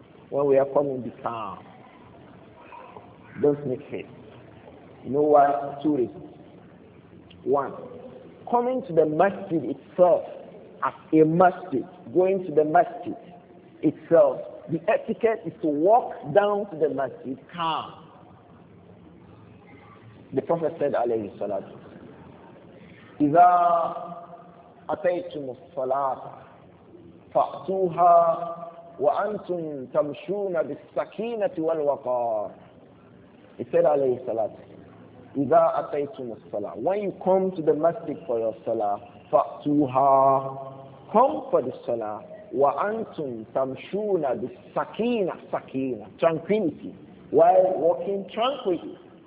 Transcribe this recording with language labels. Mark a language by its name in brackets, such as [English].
[English] When we are coming, be calm. Don't make haste. You know why? Two reasons. One, coming to the masjid itself as a masjid, going to the masjid itself, the etiquette is to walk down to the masjid calm. The Prophet said, [Arabic] alayhi salatu, إِذَا أَتَيْتُمُ الصَّلَاةَ فَأْتُوهَا وَأَنْتُمْ تَمْشُونَ بِالسَّكِينَةِ وَالْوَقَارِ. [English] He said, alayhi salatu, [Arabic] إِذَا أَتَيْتُمُ الصَّلَاةَ, [English] when you come to the masjid for your salah, [Arabic] فَأْتُوهَا, [English] come for the salah, [Arabic] وَأَنْتُمْ تَمْشُونَ بِالسَّكِينَةِ, [English] sakina, tranquility, while walking tranquilly.